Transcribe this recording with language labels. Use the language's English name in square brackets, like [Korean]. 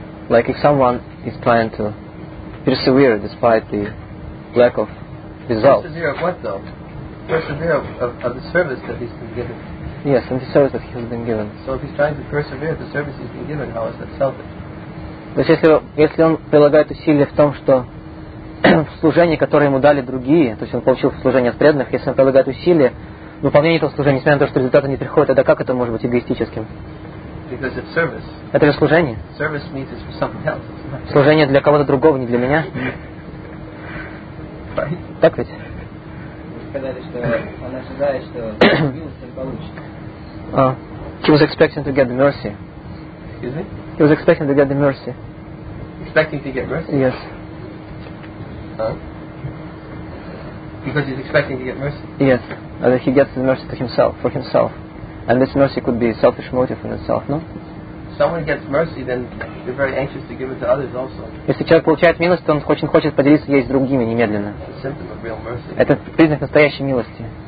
[English] Like if someone is trying to persevere despite the lack of results. Persevere of what though? Persevere of the service that he's been given. Yes, and the service that he's been given. So if he's trying to persevere the service he's been given, how is that selfish? [Russian] То есть если он прилагает усилия в том, что в служении, которое ему дали другие, то есть он получил служение от преданных, если он прилагает усилия в выполнении этого служения, несмотря на то, что результаты не приходят, тогда как это может быть эгоистическим? [English] Because it's service. [Russian] Это же служение. [English] Service means it's for something else. [Russian] Служение для кого-то другого, не для меня. [English] Right. [Russian] Так ведь? Вы сказали, что он ожидает, что милость он получит. [English] He was expecting to get the mercy. Excuse me? He was expecting to get the mercy. Expecting to get mercy? Yes. Because he's expecting to get mercy? Yes. That he gets the mercy to himself, for himself. And this mercy could be a selfish motive in itself, no? Someone gets mercy, then they're very anxious to give it to others also. [Russian] Если человек получает милость, то он очень хочет поделиться ей с другими немедленно. [English] It's a symptom of real mercy. [Russian] Это признак настоящей милости.